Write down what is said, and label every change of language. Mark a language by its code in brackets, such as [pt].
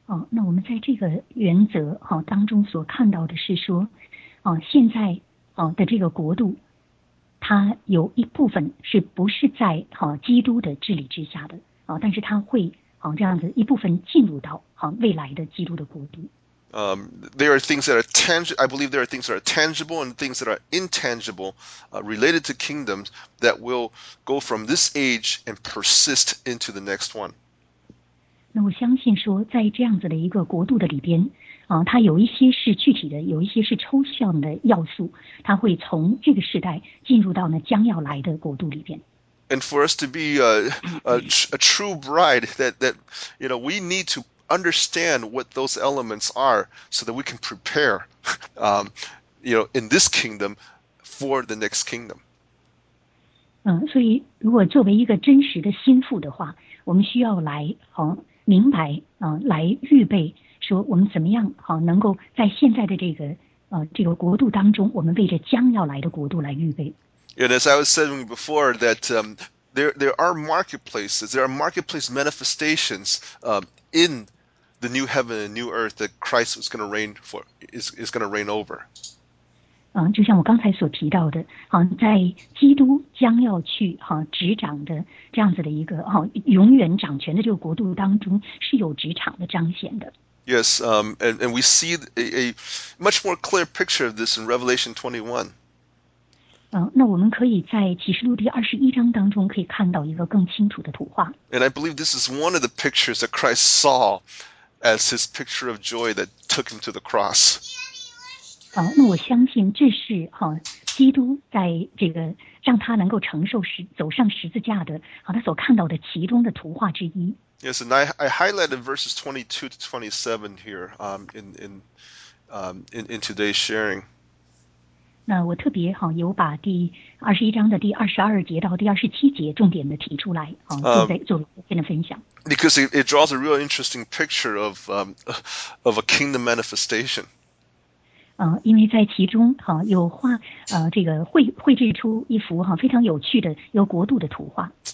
[zh] 那我们在这个原则当中所看到的是说现在的这个国度它有一部分是不是在基督的治理之下的但是它会这样子一部分进入到未来的基督的国度。 [en] There are things that are tangible. I believe there are things that are tangible and things that are intangible, related to kingdoms that will go from this age and persist into the next one. [zh] 那我相信说，在这样子的一个国度的里边，它有一些是具体的，有一些是抽象的要素，它会从这个时代进入到呢将要来的国度里边。 [en] And for us to be a true bride, that you know, we need to. Understand what those elements are, so that we can prepare, you know, in this kingdom for the next kingdom. [zh] 所以如果作为一个真实的心腹的话，我们需要来明白来预备，说我们怎么样能够在现在的这个国度当中，我们为着将要来的国度来预备。 [en] And as I was saying before, that there are marketplaces, there are marketplace manifestations in the new heaven and new earth that Christ was going to reign for, is going to reign over. [zh] 就像我刚才所提到的，在基督将要去执掌的这样子的一个永远掌权的这个国度当中，是有职场的彰显的。 [en] Yes, and we see a much more clear picture of this in Revelation 21. [zh] 那我们可以在启示录第二十一章当中可以看到一个更清楚的图画。 [en] And I believe this is one of the pictures that Christ saw as his picture of joy that took him to the cross. [zh] 那我相信这是基督在这个让他能够承受走上十字架的他所看到的其中的图画之一。 [en] Yes, and I highlighted verses 22 to 27 here in today's sharing. [zh] 那我特别有把第二十一章的第二十二节到第二十七节重点的提出来，做今天的分享。 [en] Because it draws a real interesting picture of a kingdom manifestation. [zh] 因为在其中有画这个绘制出一幅非常有趣的一个国度的图画。